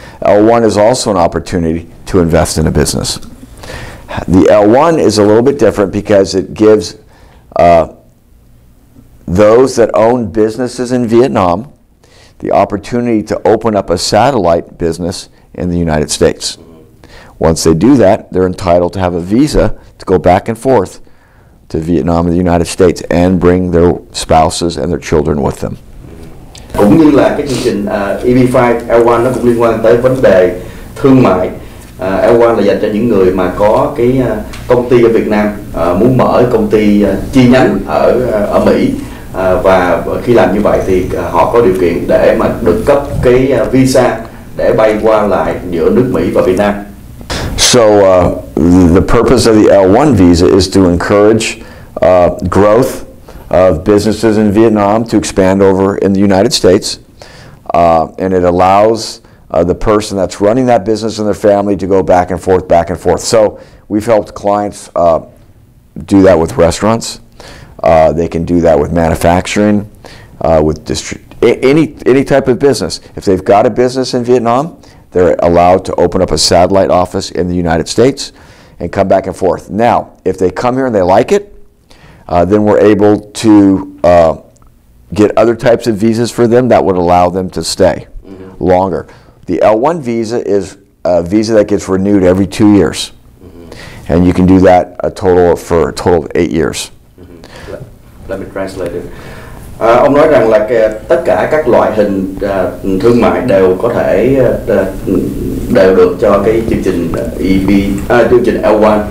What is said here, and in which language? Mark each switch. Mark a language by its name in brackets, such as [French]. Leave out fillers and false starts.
[English] L1 is also an opportunity to invest in a business. The L1 is a little bit different because it gives those that own businesses in Vietnam the opportunity to open up a satellite business in the United States. Once they do that, they're entitled to have a visa to go back and forth to Vietnam and the United States and bring their spouses and their children with them. [Vietnamese] cũng như là cái chương trình EB-5 L1 nó cũng liên quan tới vấn đề thương mại. L1 là dành cho những người mà có cái công ty ở Việt Nam muốn mở công ty chi nhánh ở Mỹ, và khi làm như vậy thì họ có điều kiện để mà được cấp cái visa để bay qua lại giữa nước Mỹ và Việt Nam. [English] So the purpose of the L1 visa is to encourage growth of businesses in Vietnam to expand over in the United States, and it allows the person that's running that business and their family to go back and forth, back and forth. So we've helped clients do that with restaurants. They can do that with manufacturing, with any type of business. If they've got a business in Vietnam, they're allowed to open up a satellite office in the United States and come back and forth. Now, if they come here and they like it, then we're able to get other types of visas for them that would allow them to stay mm-hmm. longer. The L1 visa is a visa that gets renewed every 2 years. Mm-hmm. And you can do that a total of 8 years. Mm-hmm. Let me translate it. [Vietnamese] Ông nói rằng là tất cả các loại hình thương mại đều có thể đều được cho cái chương trình EB chương trình L1.